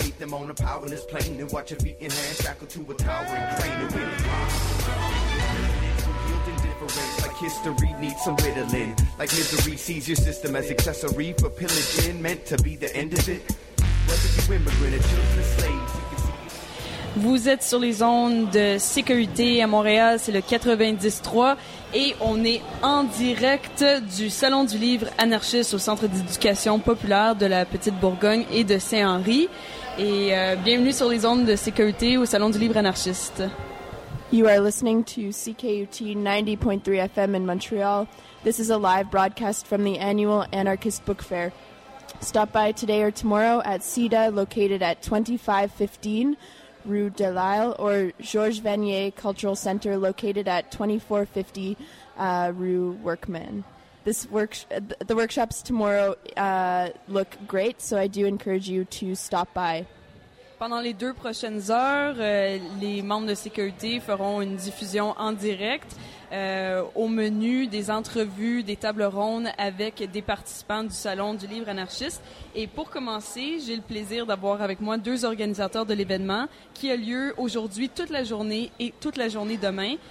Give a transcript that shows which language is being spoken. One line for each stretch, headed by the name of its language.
English: On a powerless plane and watch your feet in hand shackled to a towering crane. And we'll like history needs some riddling. Like misery sees your system as accessory for pillaging, meant to be the end of it. Whether you immigrant or children slaves.
French: Vous êtes sur les ondes de sécurité à Montréal, c'est le 90.3 et on est en direct du Salon du livre anarchiste au Centre d'éducation populaire de la Petite-Bourgogne et de Saint-Henri. Et bienvenue sur les ondes de sécurité au Salon du livre anarchiste.
English: You are listening to CKUT 90.3 FM in Montreal. This is a live broadcast from the annual Anarchist Book Fair. Stop by today or tomorrow at CEDA, located at 2515 Rue Delisle, or Georges Vanier Cultural Center, located at 2450 Rue Workman. The workshops tomorrow look great, so I do encourage you to stop by.
French: Pendant les deux prochaines heures, les membres de sécurité feront une diffusion en direct au menu des entrevues, des tables rondes avec des participants du Salon du livre anarchiste. Et pour commencer, j'ai le plaisir d'avoir avec moi deux organisateurs de l'événement qui a lieu aujourd'hui toute la journée et toute la journée demain.